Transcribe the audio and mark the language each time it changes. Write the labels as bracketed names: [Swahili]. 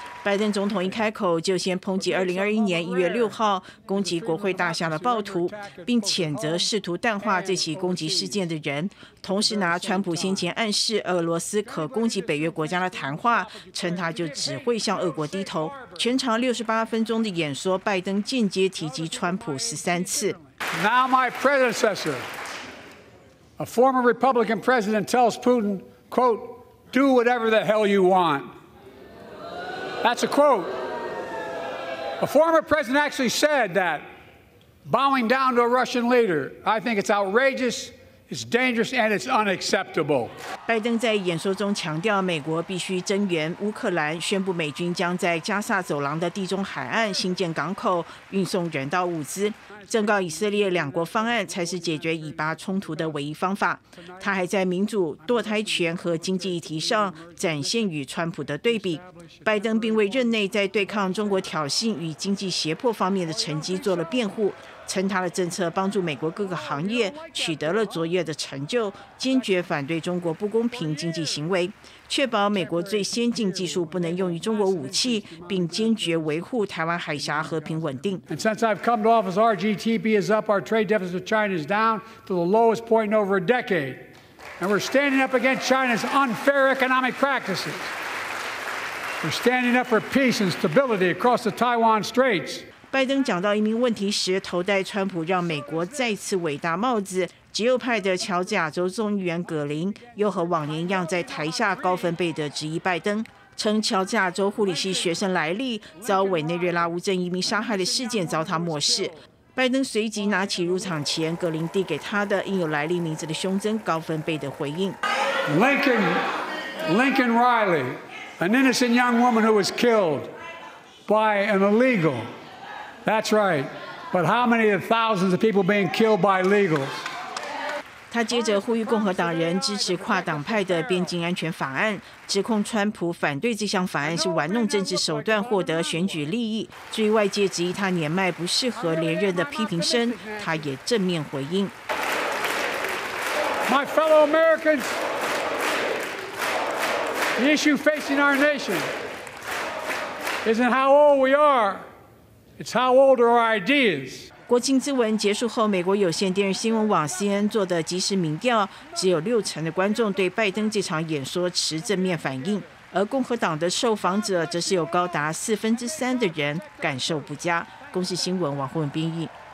[Chinese] 拜登总统一开口就先抨击2021年1月6号攻击国会大厦的暴徒，并谴责试图淡化这起攻击事件的人，同时拿川普先前暗示俄罗斯可攻击北约国家的谈话，称他就只会向俄国低头。全长68分钟的演说，拜登间接提及川普13次。 [English] Now my predecessor. A former Republican president tells Putin, quote, do whatever the hell you want. That's a quote. A former president actually said that, bowing down to a Russian leader, I think it's outrageous, it's dangerous, and it's unacceptable. [Chinese] 拜登在演说中强调美国必须增援乌克兰，宣布美军将在加萨走廊的地中海岸新建港口，运送人道物资。正告以色列两国方案才是解决以巴冲突的唯一方法。他还在民主、堕胎权和经济议题上展现与川普的对比。拜登并为任内在对抗中国挑衅与经济胁迫方面的成绩做了辩护，称他的政策帮助美国各个行业取得了卓越的成就，坚决反对中国不公平经济行为，确保美国最先进技术不能用于中国武器，并坚决维护台湾海峡和平稳定。 [English] And since I've come to office, our GDP is up, our trade deficit with China is down to the lowest point in over a decade, and we're standing up against China's unfair economic practices. We're standing up for peace and stability across the Taiwan Straits. [Chinese] 拜登讲到移民问题时，头戴川普让美国再次伟大帽子，极右派的乔治亚州众议员葛林又和往年一样在台下高分贝的质疑拜登，称乔治亚州护理系学生莱利遭委内瑞拉无证移民杀害的事件遭他漠视。拜登随即拿起入场前葛林递给他的印有莱利名字的胸针，高分贝的回应 [English] Lincoln Riley, an innocent young woman who was killed by an illegalThat's right. But how many of thousands of people being killed by illegals? [Chinese] 他接着呼吁共和党人支持跨党派的边境安全法案，指控川普反对这项法案是玩弄政治手段获得选举利益。至于外界质疑他年迈不适合连任的批评声，他也正面回应。 [English] My fellow Americans, the issue facing our nation isn't how old we are. It's how old are our ideas? [Chinese] 国情咨文结束后，美国有线电视新闻网 CNN 做的即时民调，只有60%的观众对拜登这场演说持正面反应，而共和党的受访者则是有高达3/4的人感受不佳。公视新闻王宏文编译。